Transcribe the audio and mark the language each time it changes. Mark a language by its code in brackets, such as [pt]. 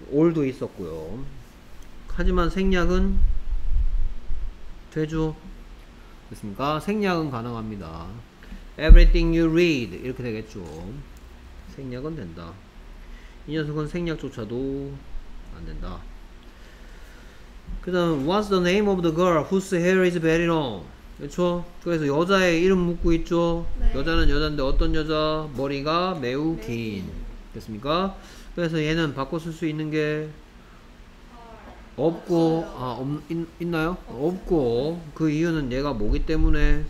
[ko] 올도 있었고요. 하지만 생략은 되죠? 됐습니까? 생략은 가능합니다. [en] Everything you read [ko] 이렇게 되겠죠. 생략은 된다. 이 녀석은 생략조차도 안 된다. [en] 그 다음 What's the name of the girl whose hair is very long? [ko] 그렇죠? 그래서 여자의 이름 묻고 있죠? 네. 여자는 여잔데 어떤 여자? 머리가 매우 긴. 됐습니까? 그래서 얘는 바꿔 쓸 수 있는 게 없고 없어요. 아 있나요? 없어요. 없고 그 이유는 얘가 뭐기 때문에